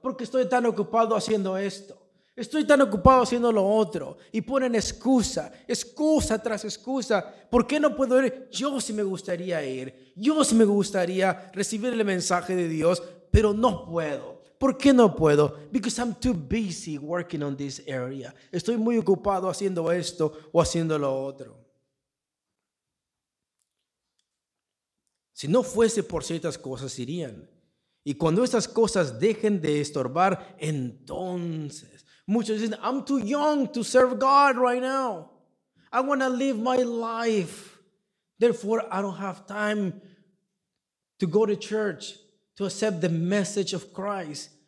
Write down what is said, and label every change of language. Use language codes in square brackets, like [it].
[es] Porque estoy tan ocupado haciendo esto. Estoy tan ocupado haciendo lo otro. Y ponen excusa, excusa tras excusa. ¿Por qué no puedo ir? Yo sí me gustaría ir. Yo sí me gustaría recibir el mensaje de Dios, pero no puedo. ¿Por qué no puedo? [en] Because I'm too busy working on this area. [es] Estoy muy ocupado haciendo esto o haciendo lo otro. Si no fuese por ciertas cosas, irían. Y cuando estas cosas dejen de estorbar, entonces, Muchos dicen, [en] I'm too young to serve God right now. I want to live my life. Therefore, I don't have time to go to church to accept the message of Christ.